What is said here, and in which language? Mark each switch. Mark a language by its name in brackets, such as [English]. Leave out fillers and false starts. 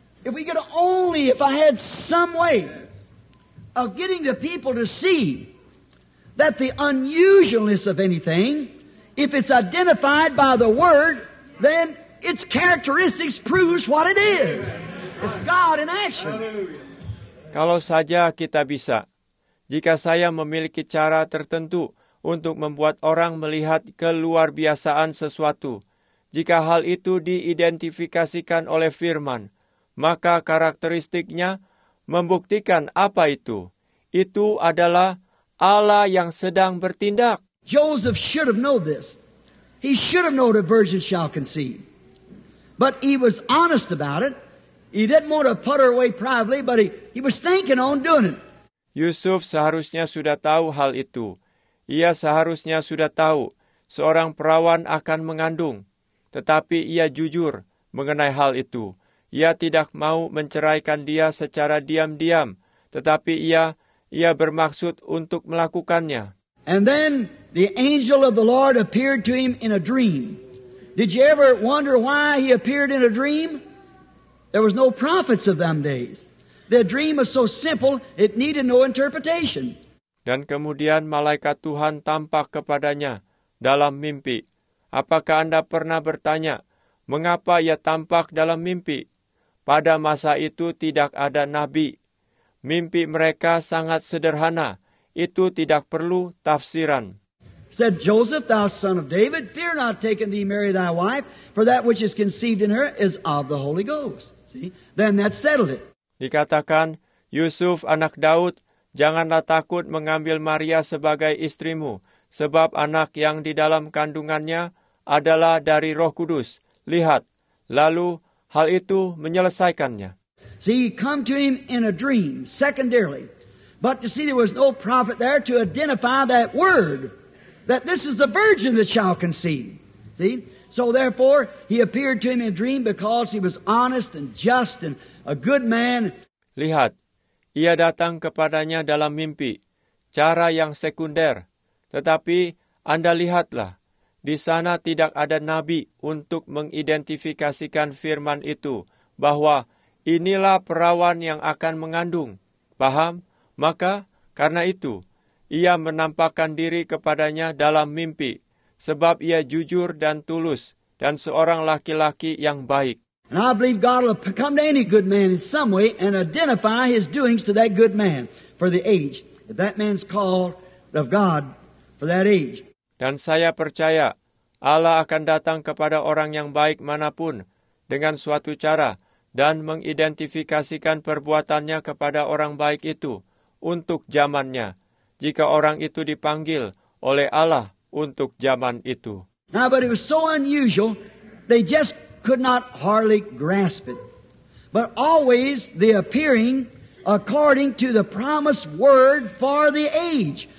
[English] If we could only, if I had some way of getting the people to see that the unusualness of anything, if it's identified by the word, then its characteristics proves what it is. It's God in action. [Indonesian] Kalau saja kita bisa, jika saya memiliki cara tertentu untuk membuat orang melihat keluar biasaan sesuatu, jika hal itu diidentifikasikan oleh firman, maka karakteristiknya membuktikan apa itu. Itu adalah Allah yang sedang bertindak. [English] Joseph should have known this. He should have known the virgin shall conceive. But he was honest about it. He didn't want to put her away privately, but he was thinking on doing it. [Indonesian] Yusuf seharusnya sudah tahu hal itu. Ia seharusnya sudah tahu seorang perawan akan mengandung. Tetapi ia jujur mengenai hal itu. Ia tidak mau menceraikan dia secara diam-diam. Tetapi ia bermaksud untuk melakukannya. [English] And then the angel of the Lord appeared to him in a dream. Did you ever wonder why he appeared in a dream? There was no prophets of them days. Their dream was so simple, it needed no interpretation. [Indonesian] Dan kemudian malaikat Tuhan tampak kepadanya dalam mimpi. Apakah Anda pernah bertanya, mengapa ia tampak dalam mimpi? Pada masa itu tidak ada nabi. Mimpi mereka sangat sederhana. Itu tidak perlu tafsiran. [English] Said Joseph, thou son of David, fear not taking thee Mary thy wife, for that which is conceived in her is of the Holy Ghost. See? Then that settled it. [Indonesian] Dikatakan, Yusuf anak Daud, janganlah takut mengambil Maria sebagai istrimu, sebab anak yang di dalam kandungannya adalah dari Roh Kudus. Lihat, lalu hal itu menyelesaikannya. [English] See, he come to him in a dream, secondarily. But you see, there was no prophet there to identify that word, that this is the virgin that shall conceive. See? So therefore, he appeared to him in a dream because he was honest and just and a good man. [Indonesian] Lihat, ia datang kepadanya dalam mimpi, cara yang sekunder. Tetapi, Anda lihatlah, di sana tidak ada nabi untuk mengidentifikasikan firman itu, bahwa inilah perawan yang akan mengandung. Paham? Maka, karena itu, ia menampakkan diri kepadanya dalam mimpi, sebab ia jujur dan tulus, dan seorang laki-laki yang baik. [English] And I believe God will come to any good man in some way and identify his doings to that good man for the age. If that man's called of God for that age. [Indonesian] Dan saya percaya Allah akan datang kepada orang yang baik manapun dengan suatu cara dan mengidentifikasikan perbuatannya kepada orang baik itu untuk zamannya, jika orang itu dipanggil oleh Allah untuk zaman itu. [English] Now, but it was so unusual, they just could not hardly grasp it. But always the appearing according to the promised word for the age.